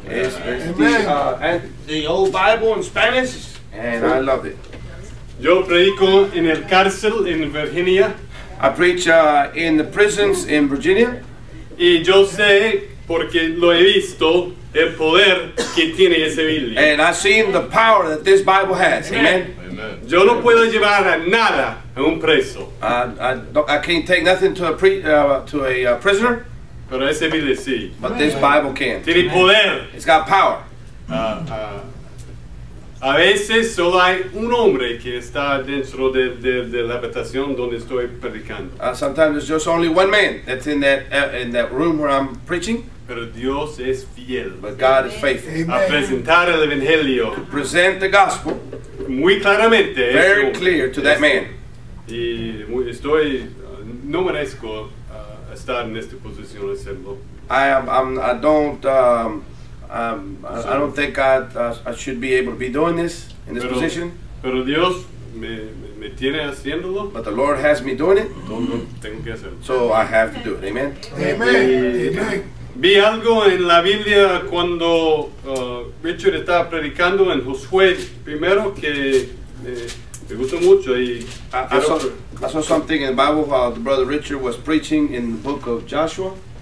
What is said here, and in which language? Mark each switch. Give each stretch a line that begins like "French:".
English: The old Bible in Spanish. And I love it.
Spanish: Yo predico en el cárcel en Virginia.
English: I preach in the prisons in Virginia.
Spanish: Y yo sé, porque lo he visto, el poder que tiene ese Biblia.
English: And I've seen the power that this Bible has. Amen. Amen.
Spanish: Yo no puedo llevar a nada a un preso.
English: I can't take nothing to a prisoner.
Spanish: Pero ese Biblia sí.
English: But this Bible can.
Spanish: Tiene poder.
English: It's got power.
Spanish: A veces solo hay un hombre que está dentro de la habitación donde estoy predicando.
English: Sometimes it's just only one man that's in that room where I'm preaching.
Spanish: Pero Dios es fiel.
English: But God is faithful.
Spanish: Amen. A presentar el evangelio.
English: To present the gospel.
Spanish: Muy claramente.
English: Very clear to that man.
Spanish: Y estoy no merezco estar en esta posición de serlo.
English: I don't think I should be able to be doing this in this position.
Spanish: Pero Dios me tiene haciéndolo.
English: But the Lord has me doing it.
Spanish: Tengo que hacerlo.
English: So I have to do it. Amen. Amen.
Spanish: Vi algo en la Biblia cuando Richard estaba predicando en Josué primero que me gustó mucho.
English: I saw something in the Bible while the brother Richard was preaching in the book of Joshua.